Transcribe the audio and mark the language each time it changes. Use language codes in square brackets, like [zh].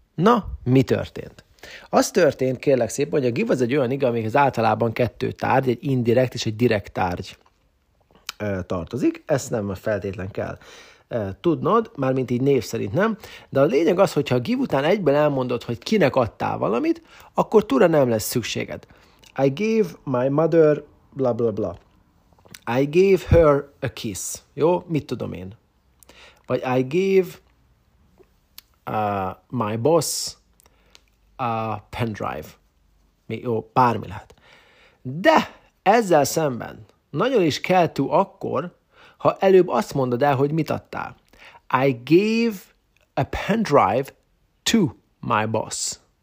[hu] Na, mi történt? Az történt, kérlek szépen, hogy a give az egy olyan igaz, amikhez általában 2 tárgy, egy indirekt és egy direkt tárgy tartozik. Ezt nem feltétlen kell tudnod, mármint így név szerint nem. De a lényeg az, hogyha a give után egyben elmondod, hogy kinek adtál valamit, akkor tura nem lesz szükséged. [en] I gave my mother bla bla bla. I gave her a kiss. [hu] Jó? Mit tudom én? [en] Vagy I gave my boss a pendrive. [hu] Jó, bármi lehet. De ezzel szemben nagyon is kell to akkor, ha előbb azt mondod el, hogy mit adtál. [en] I gave a pendrive to my boss.